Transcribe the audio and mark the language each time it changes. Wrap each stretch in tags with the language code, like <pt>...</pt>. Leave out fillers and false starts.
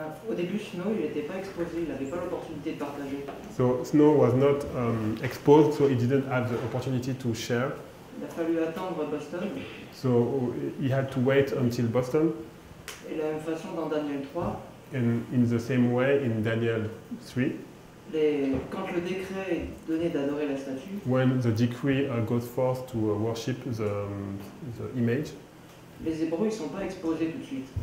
<fr>Au début, Snow, il n'était pas exposé, il n'avait pas l'opportunité de partager.</fr> <en>So Snow was not exposed, so he didn't have the opportunity to share.</en> <fr>Il a fallu attendre Boston.</fr> <en>So he had to wait until Boston.</en> <fr>Et la même façon dans Daniel 3.</fr> <en>And in the same way in Daniel 3.</en> <fr>Quand le décret est donné d'adorer la statue.</fr> <en>When the decree goes forth to worship the image.</en> <fr>Les Hébreux ne sont pas exposés tout de suite.</fr>